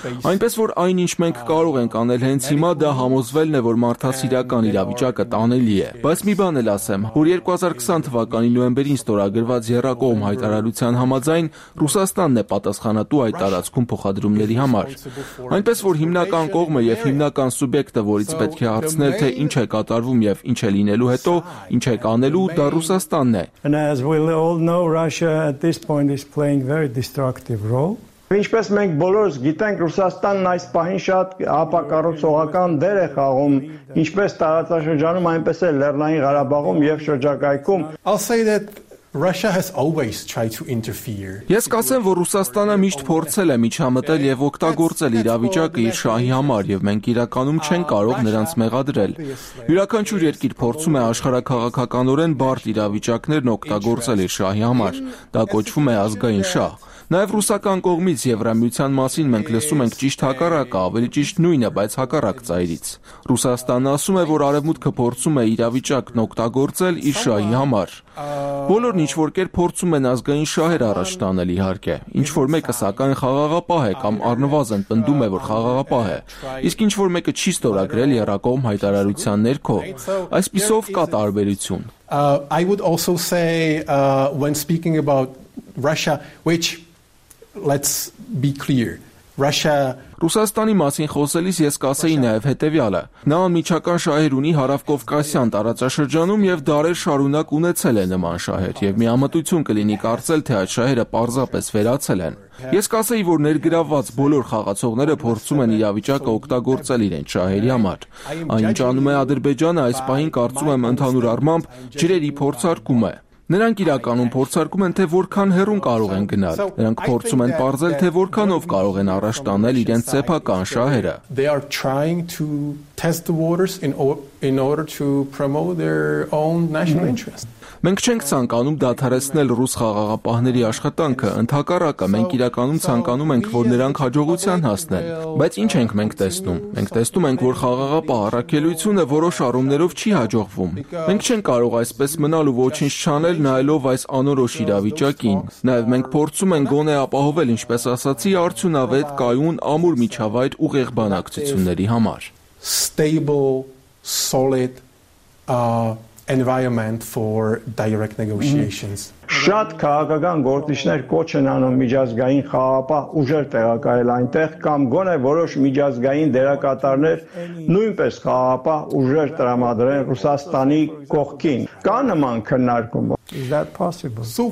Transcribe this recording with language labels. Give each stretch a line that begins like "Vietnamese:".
Armenian: Այնպես որ այնինչ մենք կարող ենք անել հենց հիմա, դա համոզվելն է, որ մարդասիրական իրավիճակը տանելի է։ Բայց մի բան էլ ասեմ, որ 2020 թվականի նոյեմբերին ստորագրված Եռակողմ հայտարարության համաձայն Ռուսաստանն է պատասխանատու այդ տարածքում փոխադրումների համար։ Այնպես որ հիմնական կողմը եւ հիմնական սուբյեկտը, որից պետք է հարցնել, թե ինչ է կատարվում եւ ինչ է լինելու հետո, ինչ է կանելու, դա Ռուսաստանն է։
English: This point is playing very destructive role.
Armenian: Ինչպես մենք բոլորս գիտենք, Ռուսաստանն այս պահին շատ ապակառուցողական դեր է խաղում, ինչպես տարածաշրջանում, այնպես էլ Լեռնային Ղարաբաղում եւ շրջակայքում։
English: Russia has always tried to interfere.
Armenian: Ես կասեմ, որ Ռուսաստանը միշտ փորձել է միջամտել եւ օգտագործել իրավիճակը իր շահի համար, եւ մենք իրականում չենք կարող նրանց մեղադրել։ Յուրաքանչյուր երկիր փորձում է աշխարհակաղակականորեն բարդ իրավիճակներն օգտագործել իր շահի համար։ Դա կոչվում է ազգային շահ։ Նաև ռուսական կողմից Եվրամիության մասին մենք լսում ենք ճիշտ հակառակը, ավելի ճիշտ նույնը, բայց հակառակ ծայրից։ Ռուսաստանն ասում է, որ արևմուտքը փորձում է իրավիճակն օգտագործել Իշայի համար։ Բոլորն ինչ որ կեր փորձում են ազգային շահեր առաջ տանել իհարկե։ Ինչ որ մեկը սակայն խաղաղապահ է կամ առնվազն պնդում է, որ խաղաղապահ է։ Իսկ ինչ որ մեկը չի ստորագրել Եռակողմ հայտարարության ներքո, այսպիսով կա տարբերություն։
English: I would also say when speaking about Russia, which let's be clear, Russia
Armenian: Ռուսաստանի մասին խոսելիս ես կասեի նաև հետևյալը. Նա անմիջական շահեր ունի Հարավկովկասյան տարածաշրջանում եւ դարեր շարունակ ունեցել է նման շահեր եւ միամտություն կլինի կարծել, թե այդ շահերը պարզապես վերացել են։ Ես կասեի, որ ներգրաված բոլոր խաղացողները փորձում են իրավիճակը օգտագործել իրենց շահերի համար։ Այն ճանում է Ադրբեջանը այս պահին, կարծում եմ, ընդհանուր առմամբ ջրերի փորձարկում է։ Նրանք իրականում փորձարկում են, թե որքան հեռուն կարող են գնալ։ Նրանք փորձում են պարզել, թե որքանով կարող են առաջ տանել իրենց սեփական շահերը։
English: They are trying to test the waters in order to promote their own national interest.
Armenian: Մենք չենք ցանկանում դադարեցնել ռուս խաղաղապահների աշխատանքը, ընդհակառակը, մենք իրականում ցանկանում ենք, որ նրանք հաջողության հասնեն։ Բայց ի՞նչ ենք մենք տեսնում։ Մենք տեսնում ենք, որ խաղաղապահ առաքելությունը որոշ առումներով չի հաջողվում։ Մենք չենք կարող այսպես մնալ ու ոչինչ չանել նայելով այս անորոշ իրավիճակին։ Նաև մենք փորձում ենք գոնե ապահովել, ինչպես ասացի, արդյունավետ կայուն ամուր միջավայր ուղիղ բանակցությունների համար։
English: Stable, solid environment for direct negotiations.
Armenian: Շատ քաղաքական գործիչներ կոչ են անում միջազգային խաղապահ ուժեր տեղակայել այնտեղ, կամ գոնե որոշ միջազգային դերակատարներ նույնպես խաղապահ ուժեր տրամադրեն Ռուսաստանի կողքին։ Կա նման քննարկում։
English: Is that possible?